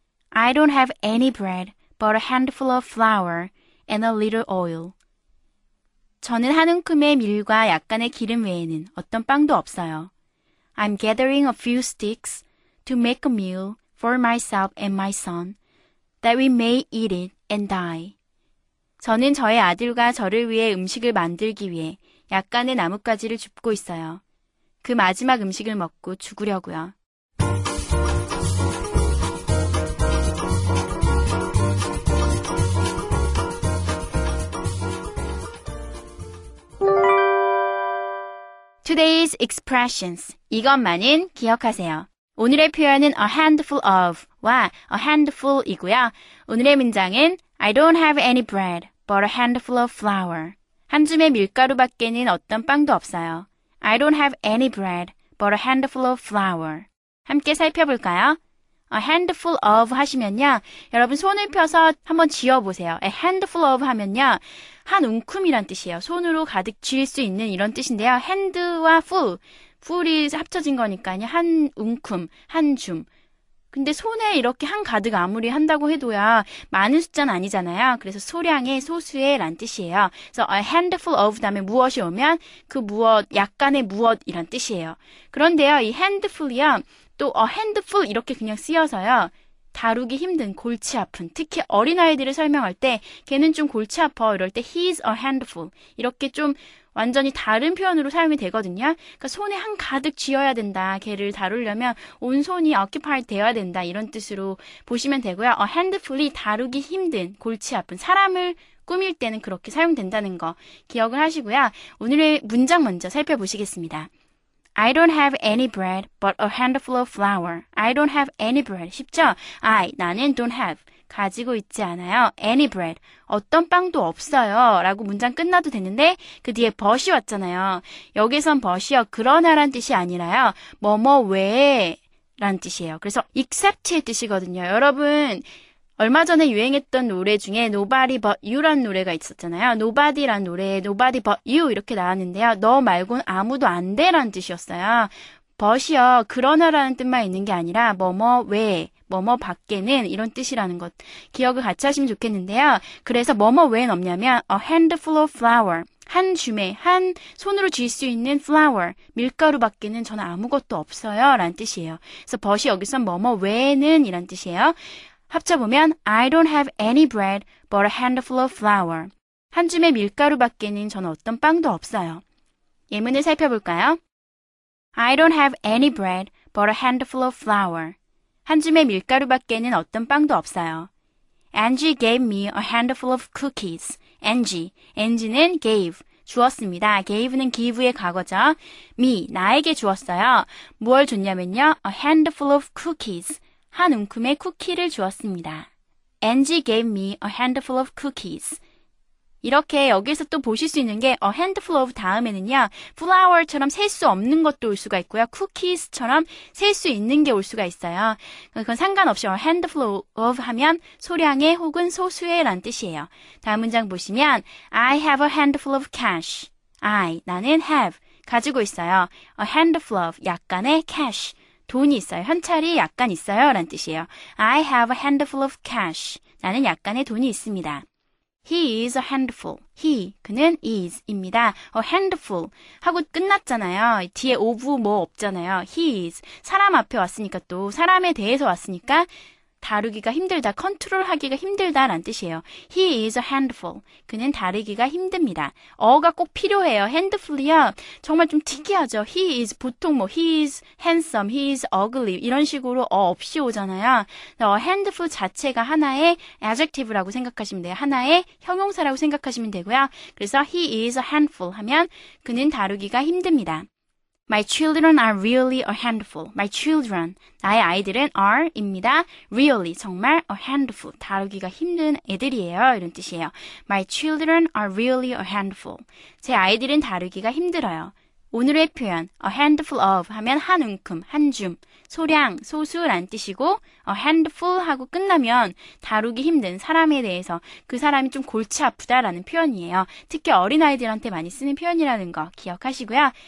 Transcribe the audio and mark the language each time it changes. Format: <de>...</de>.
<en>I don't have any bread but a handful of flour and a little oil.</en> <ko>저는 한 움큼의 밀과 약간의 기름 외에는 어떤 빵도 없어요.</ko> <en>I'm gathering a few sticks to make a meal for myself and my son that we may eat it and die.</en> <ko>저는 저의 아들과 저를 위해 음식을 만들기 위해 약간의 나뭇가지를 줍고 있어요. 그 마지막 음식을 먹고 죽으려고요.</ko> <en>Today's expressions.</en> <ko>이것만은 기억하세요. 오늘의 표현은 a handful of와 a handful이고요. 오늘의 문장은</ko> <en>I don't have any bread but a handful of flour.</en> <ko>한 줌의 밀가루밖에는 어떤 빵도 없어요.</ko> <en>I don't have any bread but a handful of flour.</en> <ko>함께 살펴볼까요? A handful of 하시면요. 여러분 손을 펴서 한번 쥐어보세요. A handful of 하면요. 한 움큼이란 뜻이에요. 손으로 가득 쥘 수 있는 이런 뜻인데요. hand와 full. full이 합쳐진 거니까요. 한 움큼, 한 줌. 근데 손에 이렇게 한 가득 아무리 한다고 해도야 많은 숫자는 아니잖아요. 그래서 소량의 소수의 란 뜻이에요. 그래서 a handful of 다음에 무엇이 오면 그 무엇, 약간의 무엇이란 뜻이에요. 그런데요. 이 handful이요. 또 a handful 이렇게 그냥 쓰여서요. 다루기 힘든 골치 아픈 특히 어린아이들을 설명할 때 걔는 좀 골치 아파 이럴 때</ko> <en>he's a handful</en> <ko>이렇게 좀 완전히 다른 표현으로 사용이 되거든요. 그러니까 손에 한 가득 쥐어야 된다. 걔를 다루려면 온 손이 occupied 되어야 된다. 이런 뜻으로 보시면 되고요. a handful이 다루기 힘든 골치 아픈 사람을 꾸밀 때는 그렇게 사용된다는 거 기억을 하시고요. 오늘의 문장 먼저 살펴보시겠습니다.</ko> <en>I don't have any bread but a handful of flour. I don't have any bread.</en> <ko>쉽죠?</ko> <en>I,</en> <ko>나는</ko> <en>don't have.</en> <ko>가지고 있지 않아요.</ko> <en>Any bread.</en> <ko>어떤 빵도 없어요. 라고 문장 끝나도 되는데 그 뒤에 but이 왔잖아요. 여기선 but이요. 그러나란 뜻이 아니라요. 뭐뭐 외에 라는 뜻이에요. 그래서 except의 뜻이거든요. 여러분 얼마 전에 유행했던 노래 중에 Nobody But You라는 노래가 있었잖아요. Nobody라는 노래에 Nobody But You 이렇게 나왔는데요. 너 말곤 아무도 안 돼라는 뜻이었어요. But이요. 그러나라는 뜻만 있는 게 아니라 뭐뭐 외에, 뭐뭐 밖에는 이런 뜻이라는 것 기억을 같이 하시면 좋겠는데요. 그래서 뭐뭐 외에는 없냐면</ko> <en>A handful of flour.</en> <ko>한 줌에 한 손으로 쥘 수 있는 flour, 밀가루 밖에는 저는 아무것도 없어요. 라는 뜻이에요. 그래서 but이 여기서 뭐뭐 외에는 이란 뜻이에요. 합쳐보면</ko> <en>I don't have any bread but a handful of flour.</en> <ko>한 줌의 밀가루 밖에는 저는 어떤 빵도 없어요. 예문을 살펴볼까요?</ko> <en>I don't have any bread but a handful of flour.</en> <ko>한 줌의 밀가루 밖에는 어떤 빵도 없어요.</ko> <en>Angie gave me a handful of cookies.</en> <ko>Angie. Angie는 gave. 주었습니다. gave는 give의 과거죠. me. 나에게 주었어요. 뭘 줬냐면요.</ko> <en>a handful of cookies.</en> <ko>한 움큼의 쿠키를 주었습니다.</ko> <en>Angie gave me a handful of cookies.</en> <ko>이렇게 여기서 또 보실 수 있는 게 a handful of 다음에는요. flower처럼 셀 수 없는 것도 올 수가 있고요. cookies처럼 셀 수 있는 게 올 수가 있어요. 그건 상관없이 a handful of 하면 소량의 혹은 소수의 라는 뜻이에요. 다음 문장 보시면</ko> <en>I have a handful of cash.</en> <ko>I, 나는 have, 가지고 있어요. a handful of, 약간의 cash. 돈이 있어요. 현찰이 약간 있어요. 라는 뜻이에요.</ko> <en>I have a handful of cash.</en> <ko>나는 약간의 돈이 있습니다.</ko> <en>He is a handful. He,</en> <ko>그는</ko> <en>is입니다.</en> <ko>A handful 하고 끝났잖아요. 뒤에 of 뭐 없잖아요. He is. 사람 앞에 왔으니까 또 사람에 대해서 왔으니까 다루기가 힘들다. 컨트롤하기가 힘들다. 라는 뜻이에요. He is a handful. 그는 다루기가 힘듭니다. 어가 꼭 필요해요. handful이요. 정말 좀 특이하죠.</ko> <en>He is</en> <ko>보통 뭐</ko> <en>He is handsome. He is ugly.</en> <ko>이런 식으로 어 없이 오잖아요. handful 자체가 하나의 adjective라고 생각하시면 돼요. 하나의 형용사라고 생각하시면 되고요. 그래서</ko> <en>He is a handful</en> <ko>하면 그는 다루기가 힘듭니다.</ko> <en>My children are really a handful.</en> <ko>My children, 나의 아이들은 are입니다. Really, 정말 a handful. 다루기가 힘든 애들이에요. 이런 뜻이에요.</ko> <en>My children are really a handful.</en> <ko>제 아이들은 다루기가 힘들어요. 오늘의 표현, a handful of 하면 한 움큼, 한 줌, 소량, 소수란 뜻이고 a handful 하고 끝나면 다루기 힘든 사람에 대해서 그 사람이 좀 골치 아프다라는 표현이에요. 특히 어린아이들한테 많이 쓰는 표현이라는 거 기억하시고요.</ko>